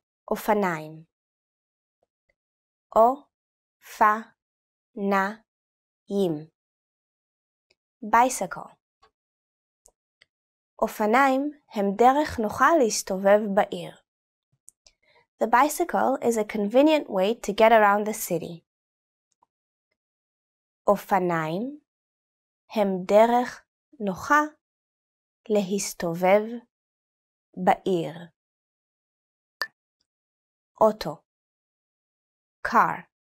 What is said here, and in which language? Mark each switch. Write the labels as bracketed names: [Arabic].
[Hebrew] אופניים. אופניים. [English] Bicycle. [Hebrew] אופניים הם דרך נוחה להסתובב בעיר. [English] The bicycle is a convenient way to get around the city. [Hebrew] אופניים הם דרך נוחה להסתובב בעיר. אוטו. [English] Car.